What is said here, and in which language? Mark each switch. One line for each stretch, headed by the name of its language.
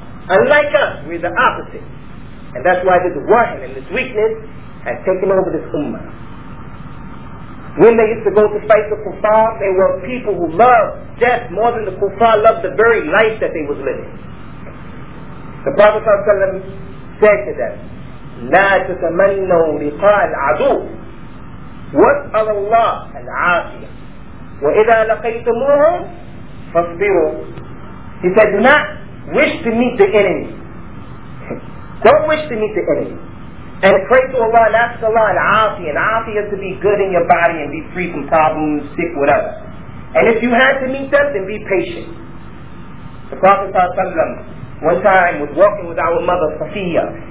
English: Unlike us, we're the opposite. And that's why this wahin and this weakness has taken over this ummah. When they used to go to fight the kuffar, they were people who loved death more than the kuffar loved the very life that they was living. The Prophet ﷺ said to them,
Arabic: لَا تَتَمَنَّوا لِقَاءَ الْعَدُوِ وَاسْأَلَ اللَّهَ الْعَافِيَةَ وَإِذَا لَقَيْتُمُوهُمْ فَاصْبِرُوا.
English: He said, do not wish to meet the enemy. Don't wish to meet the enemy. And pray to Allah and ask Allah al-afiyah. Al-afiyah is to be good in your body and be free from problems, sick, whatever. And if you had to meet them, then be patient. The Prophet ﷺ one time was walking with our mother Safiya.